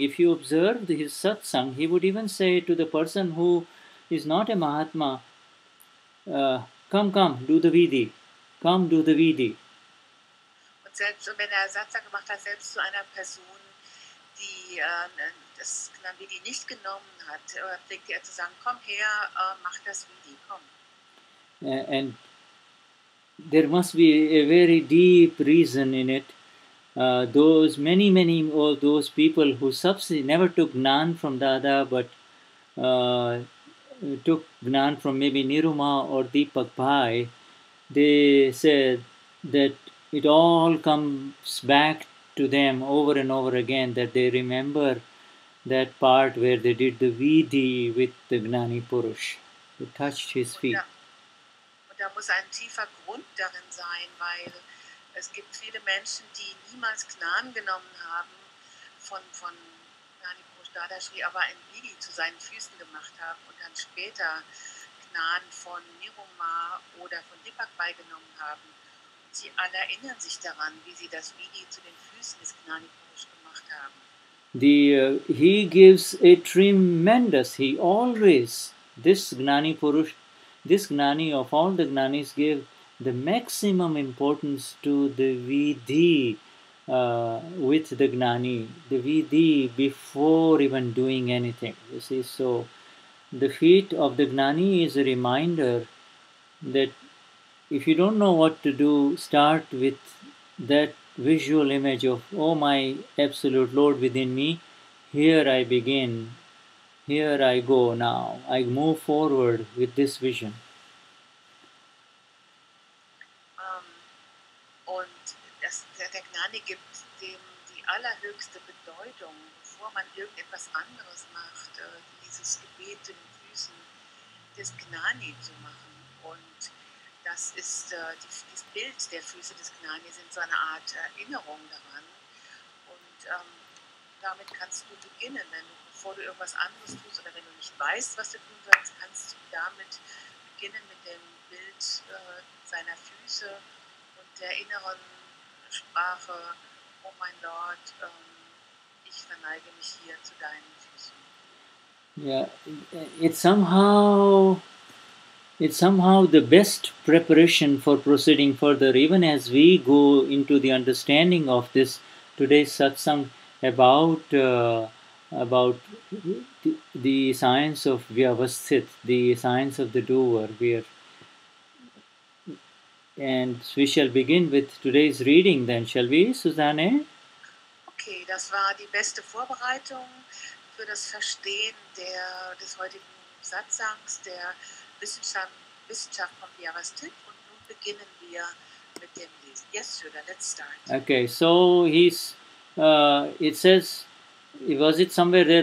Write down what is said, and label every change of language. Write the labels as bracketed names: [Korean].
[English] If you observe his satsang, he would even say to the person who is not a Mahatma, come, do the Vidhi. Come, do the Vidhi. [German] Selbst und wenn er Satsang gemacht hat, selbst zu einer Person, die das Gnan Vidhi nicht genommen hat, pflegte er zu sagen, komm her, mach das Vidhi, komm. [English] And there must be a very deep reason in it. Those many, many of those people who never took Gnan from Dada, but took Gnan from maybe Niruma or Deepak Bhai, they said that it all comes back to them over and over again that they remember that part where they did the Vidhi with the Gnani Purush, who touched his feet. [German] Und da muss ein tiefer Grund darin sein, weil es gibt viele Menschen, die niemals Gnan genommen haben von Gnani Purush Dadashri, aber ein Vidhi zu seinen Füßen gemacht haben und dann später Gnan von Niruma oder von Deepak beigenommen haben. Sie alle erinnern sich daran, wie sie das Vidhi zu den Füßen des Gnani Purush gemacht haben. [English] He gives a tremendous, he always, this Gnani Purush, this Gnani of all the Gnanis gave the maximum importance to the Vidhi with the Gnani, the Vidhi before even doing anything. You see, so the feet of the Gnani is a reminder that if you don't know what to do, start with that visual image of, oh my absolute Lord within me, here I begin, here I go now, I move forward with this vision. [German] Und das, der Gnani gibt dem die allerhöchste Bedeutung, bevor man irgendetwas anderes macht, dieses Gebet in den Füßen des Gnani zu machen. Und Das ist das Bild der Füße des Gnani, sind so eine Art Erinnerung daran. Und damit kannst du beginnen, wenn du, bevor du irgendwas anderes tust oder wenn du nicht weißt, was du tun sollst, kannst du damit beginnen mit dem Bild seiner Füße und der inneren Sprache: Oh mein Lord, ich verneige mich hier zu deinen Füßen. [English] Ja, it's somehow the best preparation for proceeding further, even as we go into the understanding of this today's satsang about the science of Vyavasthit, the science of the doer. And we shall begin with today's reading then, shall we, Susanne? [German] Okay, das war die beste Vorbereitung für das Verstehen des heutigen Satsangs, der Wissenschaft von Vyavasthit. Und nun beginnen wir mit dem Lesen. [English] Yes, Sudha, let's start. Okay, so it says, was it somewhere there?